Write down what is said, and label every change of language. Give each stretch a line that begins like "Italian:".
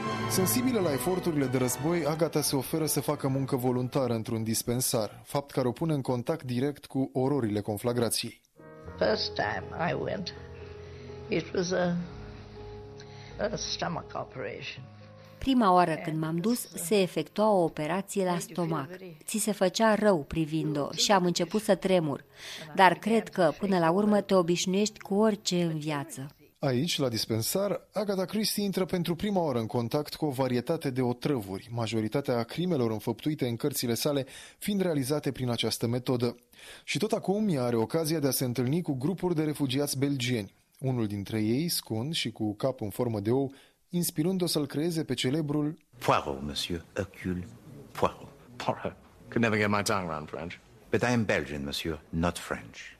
Romanian: Sensibilă la eforturile de război, Agatha se oferă să facă muncă voluntară într-un dispensar, fapt care o pune în contact direct cu ororile conflagrației.
English: First time I went, it was a stomach operation.
Romanian: Prima oară când m-am dus, se efectua o operație la stomac. Ți se făcea rău privind-o și am început să tremur. Dar cred că, până la urmă, te obișnuiești cu orice în viață. Aici, la dispensar, Agatha Christie intră pentru prima oară în contact cu o varietate de otrăvuri, majoritatea crimelor înfăptuite în cărțile sale fiind realizate prin această metodă. Și tot acum ea are ocazia de a se întâlni cu grupuri de refugiați belgieni. Unul dintre ei, scund și cu cap în formă de ou, inspirându-o să-l creeze pe celebrul
English: Poirot, monsieur, Hercule Poirot. Poirot. Could never get my tongue around French. But I am Belgian, monsieur, not French.